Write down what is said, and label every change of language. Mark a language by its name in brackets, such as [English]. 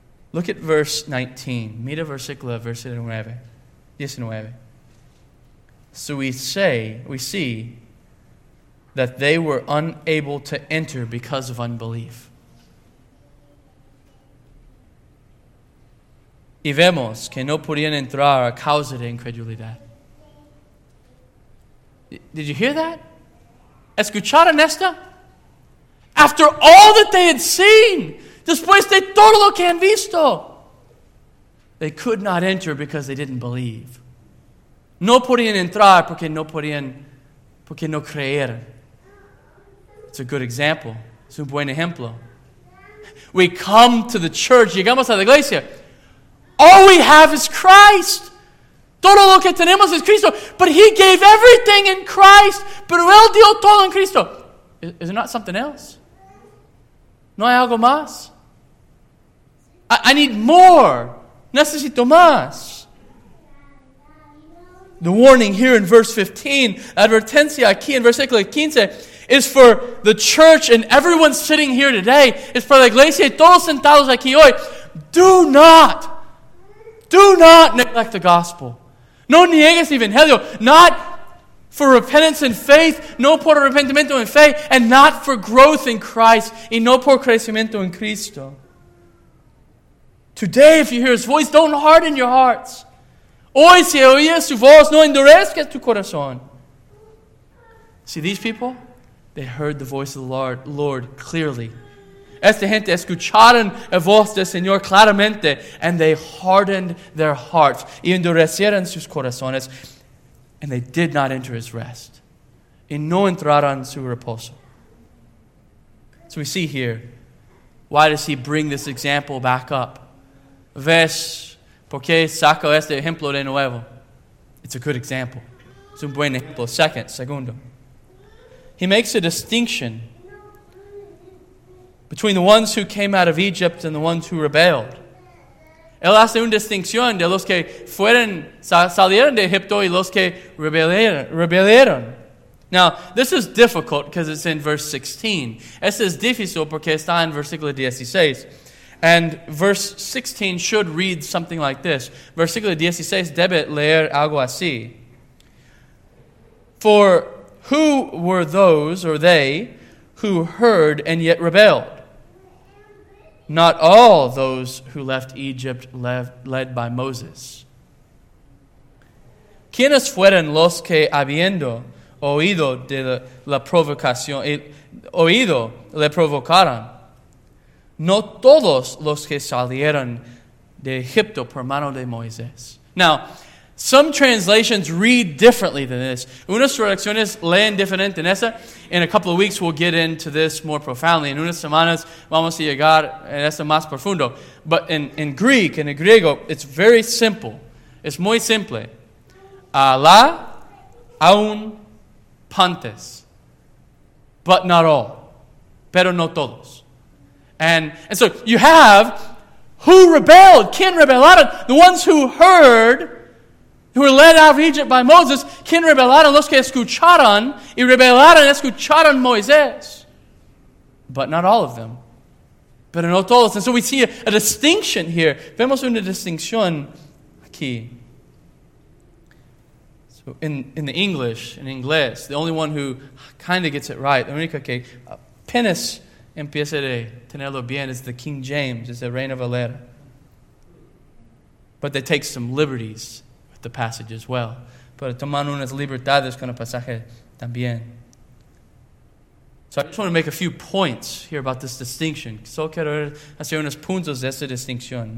[English] Look at verse 19. [Spanish] Mira versículo, [English] verse 19. So we see that they were unable to enter because of unbelief. [Spanish] Y vemos que no podían entrar a causa de incredulidad. [English] Did you hear that? [Spanish] ¿Escucharon esto? [English] After all that they had seen, [Spanish] después de todo lo que han visto, [English] they could not enter because they didn't believe. [Spanish] No podían entrar porque no creyeron. [English] It's a good example. [Spanish] Es un buen ejemplo. [English] We come to the church, [Spanish] llegamos a la iglesia. [English] All we have is Christ. [Spanish] Todo lo que tenemos es Cristo. [English] But he gave everything in Christ. [Spanish] Pero él dio todo en Cristo. [English] Is it not something else? [Spanish] ¿No hay algo más? [English] I need more. [Spanish] Necesito más. [English] The warning here in verse 15, [Spanish] advertencia aquí en versículo 15, [English] is for the church and everyone sitting here today. [Spanish] Es para la iglesia y todos sentados aquí hoy. [English] Do not neglect the gospel. [Spanish] No niegues evangelio, [English] not for repentance and faith, [Spanish] no por arrepentimiento en fe, [English] and not for growth in Christ, [Spanish] y no por crecimiento en Cristo. [English] Today, if you hear his voice, don't harden your hearts. [Spanish] Hoy, si oyes su voz, no endurezcas tu corazón. [English] See, these people, they heard the voice of the Lord clearly. [Spanish] Esta gente escucharon la voz del Señor claramente, [English] and they hardened their hearts, [Spanish] y endurecieron sus corazones, [English] and they did not enter his rest, [Spanish] y no entraron su reposo. [English] So we see here, why does he bring this example back up? Verse [Spanish] ¿Por qué saco este ejemplo de nuevo? [English] It's a good example. [Spanish] Es un buen ejemplo. Segundo. [English] He makes a distinction between the ones who came out of Egypt and the ones who rebelled. [Spanish] Él hace una distinción de los que fueron, salieron de Egipto y los que rebelaron. [English] Now, this is difficult because it's in verse 16. [Spanish] Esto es difícil porque está en versículo 16. [English] And verse 16 should read something like this. [Spanish] Versículo 16 debe leer algo así. [English] For who were those, or they, who heard and yet rebelled? Not all those who left Egypt led by Moses. [Spanish] ¿Quiénes fueron los que habiendo oído de la provocación, oído le provocaron? No todos los que salieron de Egipto por mano de Moisés. [English] Now, some translations read differently than this. [Spanish] Unas traducciones leen diferente en esa. [English] In a couple of weeks, we'll get into this more profoundly. [Spanish] En unas semanas, vamos a llegar en esa más profundo. [English] But in Greek, in [Spanish] el griego, [English] it's very simple. [Spanish] It's muy simple. Alá, aún, pantes. [English] But not all. [Spanish] Pero no todos. [English] And so, you have who rebelled. [Spanish] ¿Quién rebelaron? [English] The ones who heard, who were led out of Egypt by Moses, [Spanish] quien rebelaron los que escucharon y rebelaron escucharon Moisés. [English] But not all of them. [Spanish] Pero no todos. [English] And so we see a distinction here. [Spanish] Vemos una distinción aquí. [English] So in English, the only one who kind of gets it right, the [Spanish] única que apenas empieza de tenerlo bien [English] is the King James, is the Reina Valera. But they take some liberties. The passage as well. [Spanish] Pero tomando unas libertades con el pasaje también. [English] So I just want to make a few points here about this distinction. [Spanish] Solo quiero hacer unos puntos de esta distinción.